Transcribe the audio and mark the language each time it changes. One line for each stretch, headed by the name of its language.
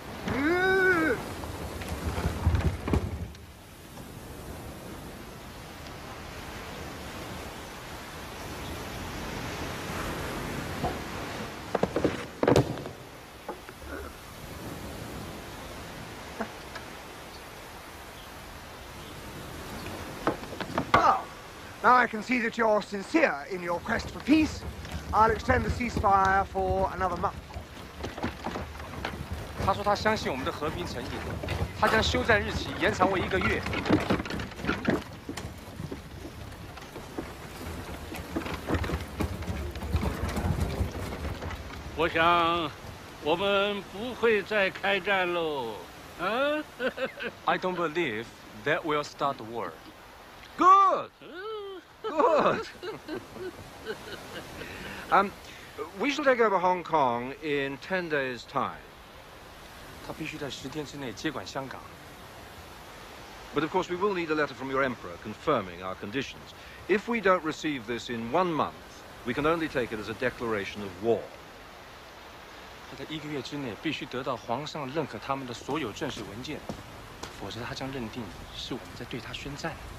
English: Well, now I can see that you're sincere in your quest for peace. I'll extend the ceasefire for another month.
Chinese: 他说他相信我们的和平诚意，他将休战日期延长为一个月。我想，我们不会再开战喽。
English: I don't believe that we'll start the war. Good. Good. We shall take over Hong Kong in 10 days' time.
Chinese: 他必须在十天之内接管香港。
English: But of course, we will need a letter from your emperor confirming our conditions. If we don't receive this in 1 month, we can only take it as a declaration of war.
Chinese: 他在一个月之内必须得到皇上认可他们的所有正式文件，否则他将认定是我们在对他宣战。